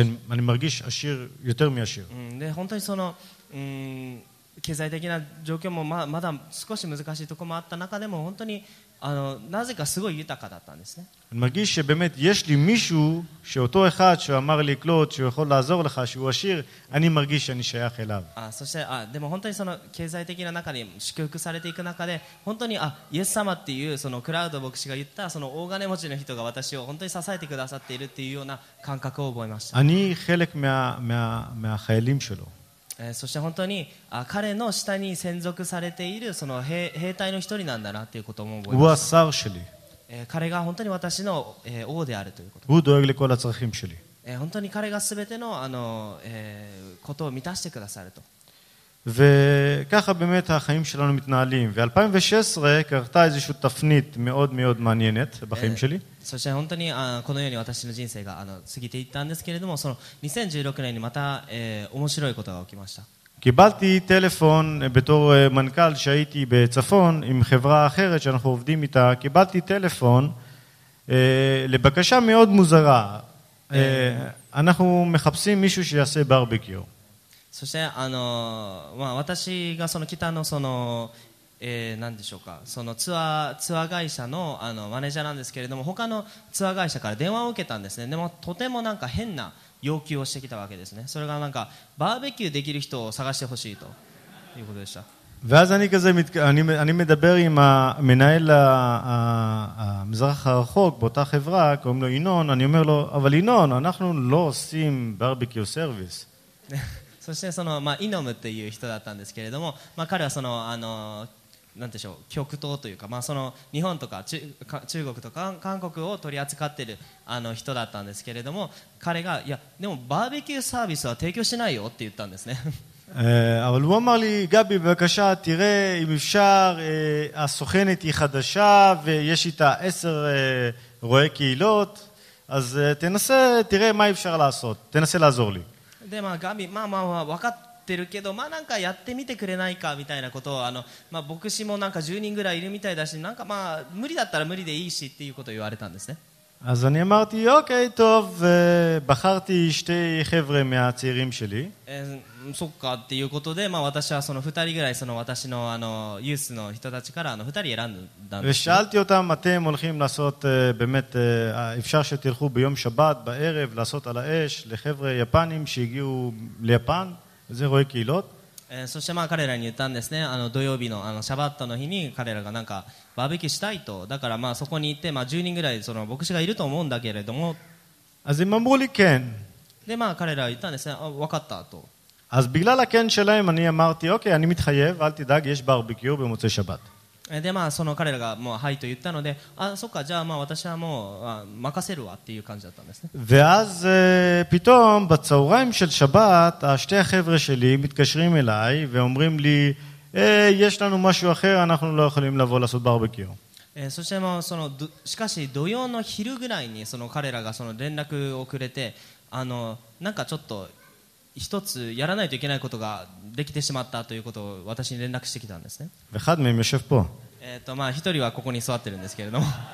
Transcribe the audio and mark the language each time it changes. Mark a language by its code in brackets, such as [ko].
[he] אני מרגיש עשיר יותר מעשיר. [ja] で本当にその経済的な状況もまだ少し難しいところもあった中でも本当になぜかすごい豊かだったんですね。 [he] אני מרגיש שבאמת יש לי מישהו שאותו אחד שאמר לי קלוד שהוא יכול לעזור לך שהוא עשיר, אני מרגיש שאני שייך אליו. [ja] そしてでも本当にその経済的な中に祝福されていく中で本当にイエス様っていうそのクラウド牧師が言ったその大金持ちの人が私を本当に支えてくださっているっていうような感覚を覚えました。 [he] אני חלק מהחיילים שלו. [ja] そして本当に彼の下に専属されているその兵隊の一人なんだなということも覚えました。 [he] ウアサーシェリー。 [ja] 彼が本当に私の王であるということ。 [he] ウドエグリコラツラヒムシェリー。 [ja] 本当に彼がすべてのことを満たしてくださると。 [he] וככה באמת החיים שלנו מתנהלים. ו-2016 קרתה איזושהי תפנית מאוד מאוד מעניינת בחיים שלי. [ja] そして本当にこのように私の人生が過ぎていったんですけれども、その2016年にまた面白いことが起きました。 [he] קיבלתי טלפון בתור מנכ"ל שהייתי בצפון עם חברה אחרת שאנחנו עובדים איתה. קיבלתי טלפון לבקשה מאוד מוזרה. אנחנו מחפשים מישהו שיעשה ברבקיו. [ja] そしてまあ、私がその北 の, その、何でしょうか、そのツアー会社 の, マネージャーなんですけれども、他のツアー会社から電話を受けたんですね。でもとてもなんか変な要求をしてきたわけですね。それがなんかバーベキューできる人を探してほしいということでした。 [he] ואז אני כזה, אני מדבר עם המנהל המזרח הרחוק באותה חברה, קוראים לו ינון. אני אומר לו, אבל ינון, אנחנו לא עושים ברבקיו סרוויס. [ja] そしてその、まあ、イノムっていう人だったんですけれども、まあ、彼はその、なんでしょう、極東というか、まあ、その日本とか中国とか韓国を取り扱ってる人だったんですけれども、彼が、いやでもバーベキューサービスは提供しないよって言ったんですね。 [he] אבל הוא אמר לי, גבי, בבקשה, תראה אם אפשר, הסוכנת היא חדשה ויש איתה 10 רואי קהילות, אז תנסה, תראה מה אפשר לעשות, תנסה לעזור לי. [ja] でまあガビ、まあまあ分かってるけど、まあなんかやってみてくれないかみたいなことを、まあ牧師もなんか10人ぐらいいるみたいだし、なんかまあ無理だったら無理でいいしっていうことを言われたんですね。 [he] אז אני אמרתי, אוקיי, טוב, בחרתי שתי חבר'ה מהצעירים שלי. [ja] そっかっていうことで、まあ私はその2人ぐらい、その私のユースの人たちから2人選んだんです。 [he] ושאלתי אותם, אתם הולכים לעשות באמת, אפשר שתלכו ביום שבת בערב לעשות על האש לחבר'ה יפנים שהגיעו ליפן, זה רואי קהילות? [ja] そしてまあ彼らに言ったんですね。土曜日のシャバットの日に彼らがなんかバーベキューしたいと、だからまあそこに行って、まあ10人ぐらいその牧師がいると思うんだけれども。 [he] אז הם אמרו לי כן. [ja] でまあ彼らは言ったんですね。あ、分かったと。 [he] אז בגלל הכן שלהם אני אמרתי, אוקיי, אני מתחייב, אל תדאג, יש ברבקיו במוצאי שבת. [ja] でまあその彼らがもうはいと言ったので、あ、そっか、じゃあまあ私はもう任せるわっていう感じだったんですね。 [he] ואז פתאום בצהריים של שבת, השתי החבר'ה שלי מתקשרים אליי ואומרים לי, יש לנו משהו אחר, אנחנו לא יכולים לבוא לעשות ברבקיו. [ja] そしてもそのしかし土曜の昼ぐらいにその彼らがその連絡をくれて、なんかちょっと一つやらないといけないことができてしまったということを私に連絡してきたんですね。 [he] אחד מהם יושב פה. [ja] まあ一人はここに座ってるんですけれども。